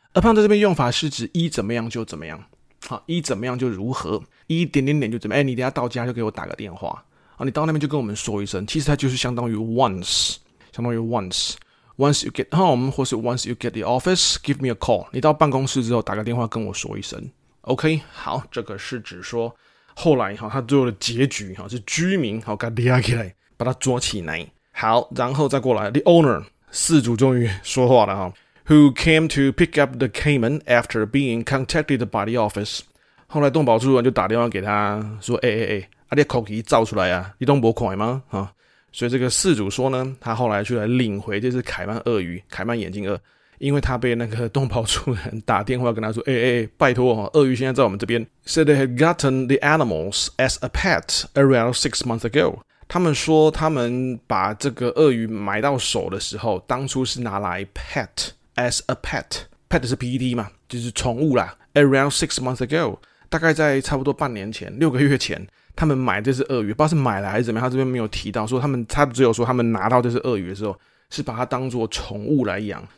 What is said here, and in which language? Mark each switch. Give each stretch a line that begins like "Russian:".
Chinese: upon 在这边用法是指一怎么样就怎么样。好，一怎么样就如何，一点点点就怎么样，你等下到家就给我打个电话，你到那边就跟我们说一声，其实它就是相当于
English: once once you get home
Chinese: 或是
English: once you get the office give me a call，
Chinese: 你到办公室之后打个电话跟我说一声。 OK， 好，这个是指说后来他最后的结局是居民把他抓起来。好，然后再过来
English: the owner，
Chinese: 四主终于说话了，
English: Who came to pick up the caiman after being contacted by the office？
Chinese: 后来动保处就打电话给他说：“你的口气造出来啊，你都不快吗？” 啊，所以这个事主说呢，他后来就来领回这只凯曼鳄鱼、凯曼眼镜鳄，因为他被那个动保处人打电话跟他说：“拜托，鳄鱼现在在我们这边。
English: ”Said they had gotten the animals as a pet around 6 months ago。
Chinese: 他们说他们把这个鳄鱼买到手的时候，当初是拿来 pet。
English: As a pet,
Chinese: pet 是 PET 嘛，就是宠物啦。
English: Around 6 months ago,
Chinese: 大概在差不多半年前，六个月前，他们买这只鳄鱼，不知道是买来还是怎么样。他这边没有提到说他们，他只有说他们拿到这只鳄鱼的时候，是把它当作宠物来养。